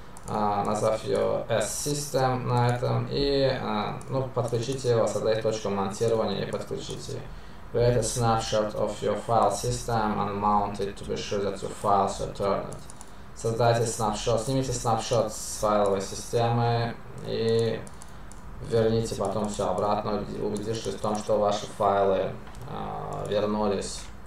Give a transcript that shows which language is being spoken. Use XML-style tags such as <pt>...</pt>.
<ru>Назвав ее s system на этом и ну, подключите его, создайте точку монтирования и подключите.</ru> <en>Create a snapshot of your file system and mount it to be sure that your files are turned.</en> <ru>Создайте снапшот, снимите снапшот с файловой системы и верните потом все обратно, убедившись в том, что ваши файлы вернулись.</ru>